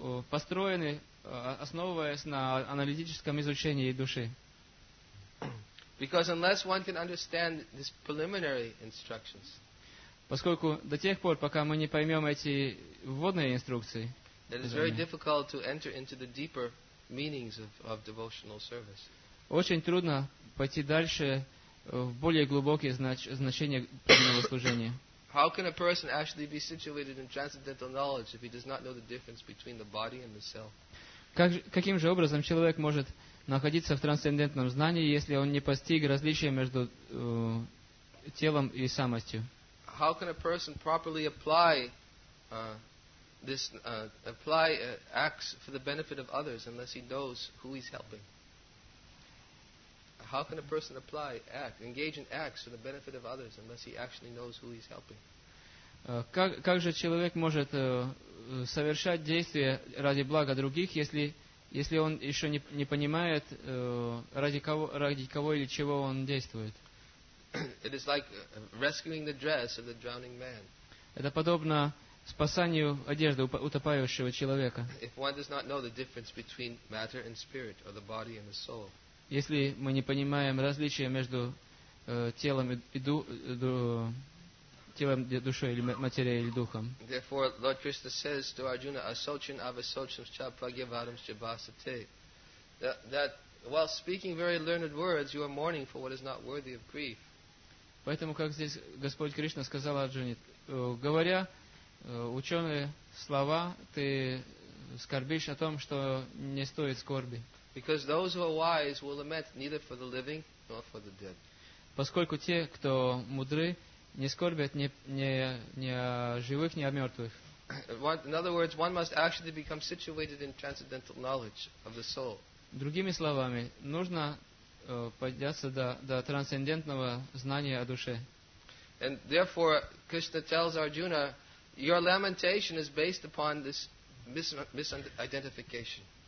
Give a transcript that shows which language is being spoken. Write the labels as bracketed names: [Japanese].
[Russian] Построены, основываясь на аналитическом изучении души. [English] Because unless one can understand these preliminary instructions, [Russian] поскольку до тех пор, пока мы не поймем эти вводные инструкции, [English] it is very difficult to enter into the deeper meanings of devotional service. [Russian] Очень трудно пойти дальше в более глубокие значения преданного служения. [English] How can a person actually be situated in transcendental knowledge if he does not know the difference between the body and the self? [Russian] Каким же образом человек может находиться в трансцендентном знании, если он не постиг различия между телом и самостью? [English] How can a person properly apply acts for the benefit of others unless he knows who he's helping? How can a person engage in acts for the benefit of others unless he actually knows who he's helping? [Russian] Как же человек может совершать действия ради блага других, если он еще не понимает ради кого или чего он действует? [English] It is like rescuing the dress of the drowning man. [Russian] Это подобно спасанию одежды утопающего человека. [English] If one does not know the difference between matter and spirit, or the body and the soul. [Russian] Если мы не понимаем различия между телом и телом душой или материей или духом. [English] Therefore, Lord Krishna says to Arjuna, [Sanskrit] "Asochin avasochin chapagyavadam chabasate." [English] That while speaking very learned words, you are mourning for what is not worthy of grief. [Russian] Поэтому, как здесь Господь Кришна сказал Арджуне, говоря ученые слова, ты скорбишь о том, что не стоит скорби. [English] Because those who are wise will lament neither for the living nor for the dead. [Russian] Поскольку те, кто мудры, не скорбят ни о живых, ни о мертвых. [English] In other words, one must actually become situated in transcendental knowledge of the soul. [Russian] Другими словами, нужно подняться до трансцендентного знания о душе. [English] And therefore, Krishna tells Arjuna, your lamentation is based upon this misidentification.